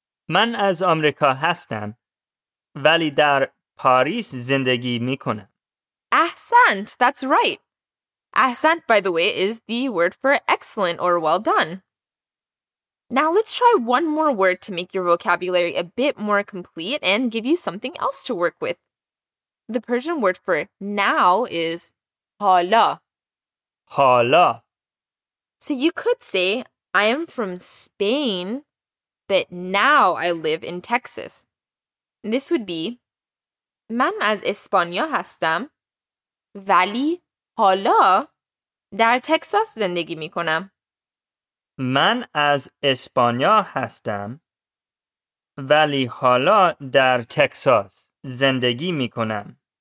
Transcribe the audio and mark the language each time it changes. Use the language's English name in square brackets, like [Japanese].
[Persian] من از آمریکا هستم، ولی در پاریس زندگی میکنم. [English] Ahsant, that's right. Ahsant, by the way, is the word for excellent or well done. Now let's try one more word to make your vocabulary a bit more complete and give you something else to work with. The Persian word for now is hala. Hala. So you could say, I am from Spain, but now I live in Texas. This would be, [Persian] من از اسپانیا هستم. ولی حالا در تکساس زندگی می کنم. من از اسپانیا هستم ولی حالا در تکساس زندگی می کنم.